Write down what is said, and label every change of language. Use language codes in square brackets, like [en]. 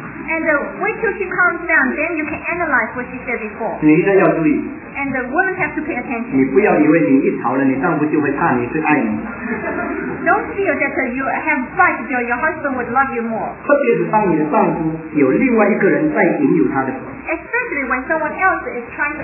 [en] And wait till she calms down, then you can analyze what she said before. [zh] 你一定要注意。 [en] And the women have to pay attention. [zh] 你不要以为你一吵了，你丈夫就会怕你，是爱你。 [en] Don't feel that you have fight till your husband would love you more. [zh] 特别是当你的丈夫有另外一个人在引诱他的。 [en] Especially when someone else is trying to